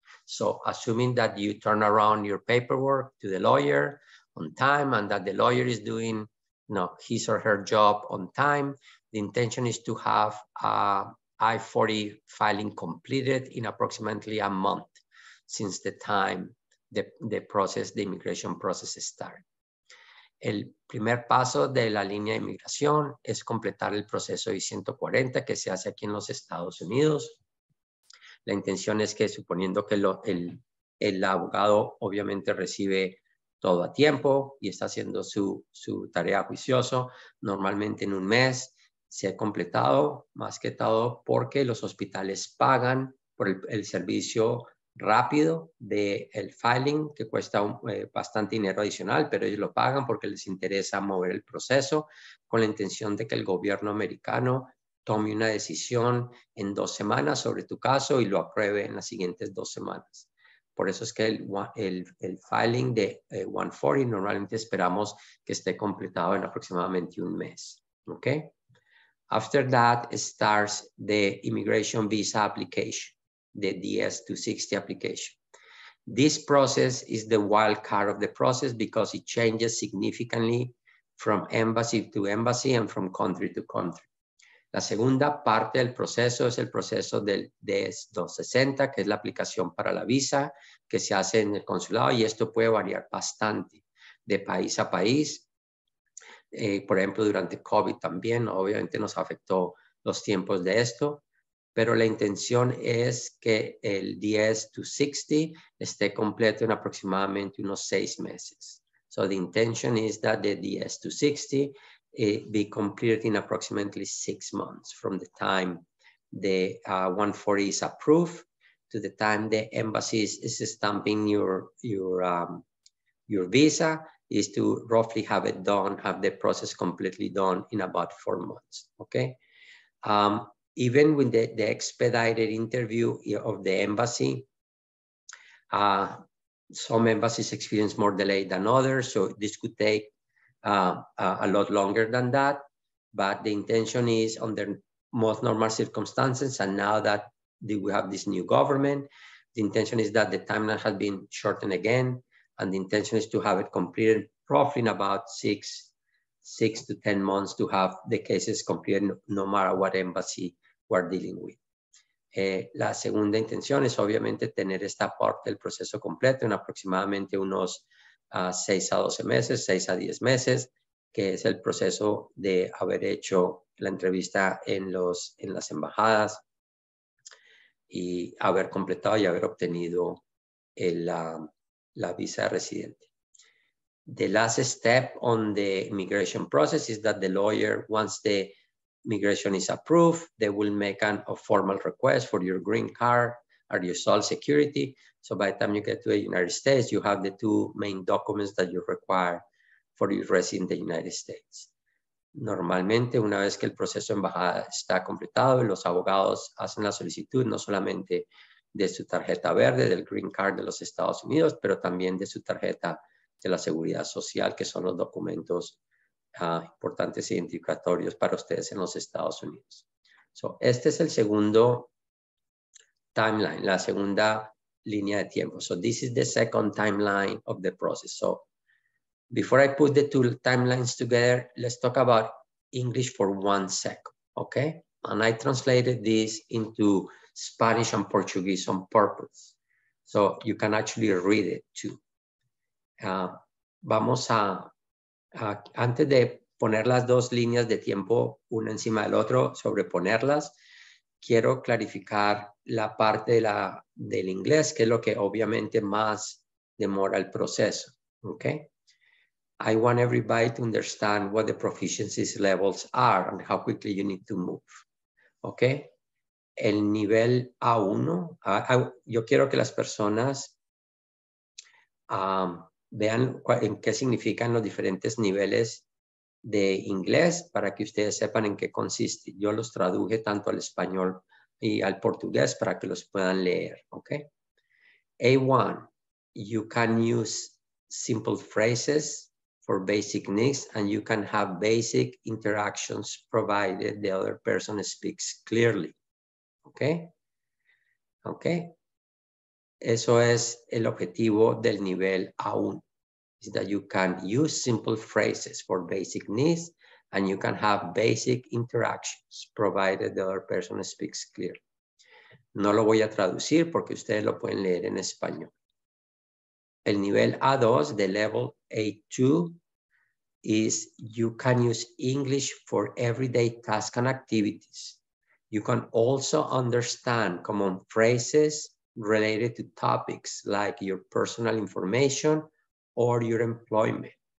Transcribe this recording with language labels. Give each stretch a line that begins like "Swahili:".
English: So assuming that you turn around your paperwork to the lawyer on time and that the lawyer is doing his or her job on time, the intention is to have I-40 filing completed in approximately a month since the time the immigration process started.
Spanish: El primer paso de la línea de inmigración es completar el proceso I-140 que se hace aquí en los Estados Unidos. La intención es que, suponiendo que el abogado obviamente recibe todo a tiempo y está haciendo su tarea juicioso, normalmente en un mes se ha completado, más que todo porque los hospitales pagan por el servicio rápido del filing, que cuesta bastante dinero adicional, pero ellos lo pagan porque les interesa mover el proceso con la intención de que el gobierno americano tome una decisión en 2 semanas sobre tu caso y lo apruebe en las siguientes 2 semanas. Por eso es que el filing de 140 normalmente esperamos que esté completado en aproximadamente un mes.
English: Okay? After that starts the immigration visa application, the DS-260 application. This process is the wild card of the process because it changes significantly from embassy to embassy and from country to country.
Spanish: La segunda parte del proceso es el proceso del DS-260, que es la aplicación para la visa que se hace en el consulado, y esto puede variar bastante de país a país. Por ejemplo, durante COVID también, obviamente nos afectó los tiempos de esto, pero la intención es que el DS-260 esté completo en aproximadamente unos 6 meses.
English: So the intention is that the DS-260 be completed in approximately 6 months from the time the 140 is approved to the time the embassy is stamping your visa, is to roughly have it done, have the process completely done in about 4 months, okay? Even with the expedited interview of the embassy, some embassies experience more delay than others, so this could take a lot longer than that, but the intention is under most normal circumstances, and now that we have this new government, the intention is that the timeline has been shortened again, and the intention is to have it completed roughly in about six to 10 months to have the cases completed no matter what embassy we're dealing with.
Spanish: La segunda intención es obviamente tener esta parte del proceso completo en aproximadamente unos 6 a 12 meses, 6 a 10 meses, que es el proceso de haber hecho la entrevista en las embajadas y haber completado y haber obtenido la visa de residente.
English: The last step on the immigration process is that the lawyer, once the immigration is approved, they will make a formal request for your green card or your social security. So by the time you get to the United States, you have the two main documents that you require for your residence in the United States.
Spanish: Normalmente, una vez que el proceso embajada está completado, los abogados hacen la solicitud no solamente de su tarjeta verde, del green card de los Estados Unidos, pero también de su tarjeta de la seguridad social, que son los documentos importantes identificatorios para ustedes en los Estados Unidos. So, este es el segundo timeline, la segunda línea de tiempo.
English: So this is the second timeline of the process. So before I put the two timelines together, let's talk about English for 1 second, okay? And I translated this into Spanish and Portuguese on purpose. So you can actually read it too.
Spanish: Vamos a antes de poner las dos líneas de tiempo una encima del otro, sobreponerlas, quiero clarificar la parte de la, del inglés, que es lo que obviamente más demora el proceso, okay?
English: I want everybody to understand what the proficiency levels are and how quickly you need to move, okay?
Spanish: El nivel A1, yo quiero que las personas vean en qué significan los diferentes niveles de inglés para que ustedes sepan en qué consiste. Yo los traduje tanto al español y al portugués para que los puedan leer, okay?
English: A1, you can use simple phrases for basic needs and you can have basic interactions provided the other person speaks clearly.
Spanish: Okay. Okay. Eso es el objetivo del nivel A1.
English: Is that you can use simple phrases for basic needs and you can have basic interactions provided the other person speaks clearly.
Spanish: No lo voy a traducir porque ustedes lo pueden leer en español.
English: El nivel A2, the level A2, is you can use English for everyday tasks and activities. You can also understand common phrases related to topics like your personal information or your employment.